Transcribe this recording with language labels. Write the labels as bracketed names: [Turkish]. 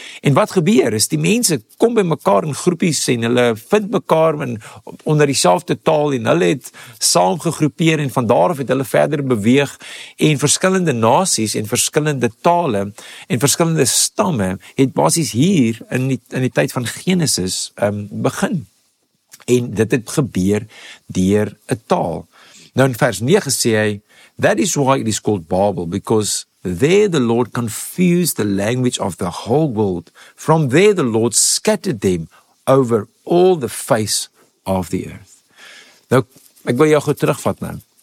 [Afrikaans] En wat gebeur is, die mense kom by mekaar in groepies, en hulle vind mekaar onder dieselfde taal, en hulle het saam gegroepeer, en vandaar af het hulle verder beweeg, en verskillende nasies, en verskillende tale, en verskillende stamme, het basis hier, in die tyd van Genesis, begin. En dit het gebeur, deur 'n taal. Nou in vers 9 sê hy, [English] that is why it is called Babel, because there the Lord confused the language of the whole world. From there the Lord scattered them over all the face of the earth. [Afrikaans] Nou, ek wil jou goed terugvat nou.